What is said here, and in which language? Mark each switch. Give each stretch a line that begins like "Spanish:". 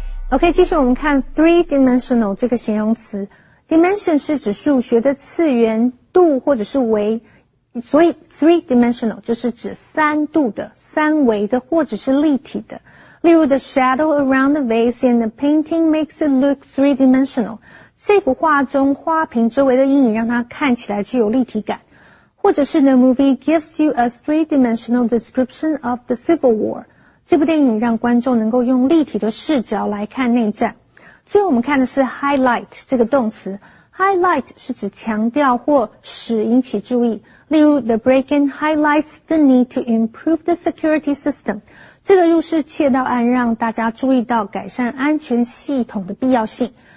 Chinese: OK, 继续我们看 three-dimensional 这个形容词。Dimension 是指数学的次元度或者是维，所以 three-dimensional 就是指三度的、三维的或者是立体的。
English: 例如 the shadow around the vase in the painting makes it look three-dimensional.
Chinese: 这幅画中花瓶周围的阴影让它看起来具有立体感。或者是
English: the movie gives you a three-dimensional description of the Civil War.
Chinese: 这部电影让观众能够用立体的视角来看内战。最后我们看的是 highlight 这个动词。Highlight 是指强调或使引起注意。
English: 例如 the break-in highlights the need to improve the security system.
Chinese: 这个入室窃盗案让大家注意到改善安全系统的必要性。